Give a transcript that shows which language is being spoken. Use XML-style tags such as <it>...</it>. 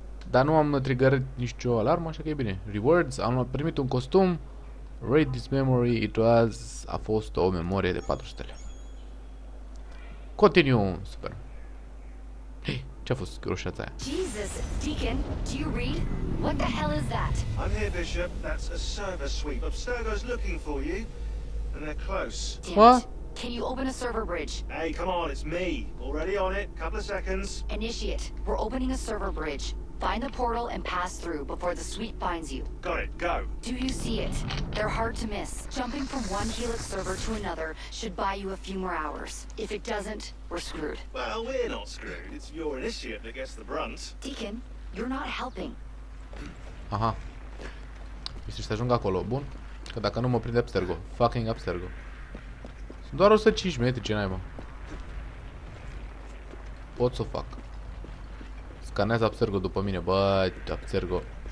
<ro>Dar nu am triggerat nicio alarmă, așa că e bine.</ro> <en>Rewards,</en> <ro>am primit un costum.</ro> <en>Raid this memory, it was...</en> <ro>A fost o memorie de 400 lei. Continue, super. Hei, ce-a fost groșața aia?</ro> <en>Jesus, Deacon, do you read? What the hell is that? I'm here, Bishop. That's a server sweep. Abstergo's looking for you. And they're close. What? Can you open a server bridge? Hey, come on, it's me. Already on it. Couple of seconds. Initiate. We're opening a server bridge. Find the portal and pass through before the sweep finds you. Got it. Go. Do you see it? They're hard to miss. Jumping from one Helix server to another should buy you a few more hours. If it doesn't, we're screwed. Well, we're not screwed. It's your initiate that gets the brunt. Deacon, you're not helping.</en> <ro>Aha. Mi-s să ajung acolo. Bun. Că dacă nu mă prinde Abstergo. Fucking Abstergo. Sunt doar 105 metri, ce naiba. Pot să o fac. Scanează Abstergo după mine, bă, Abstergo.</ro>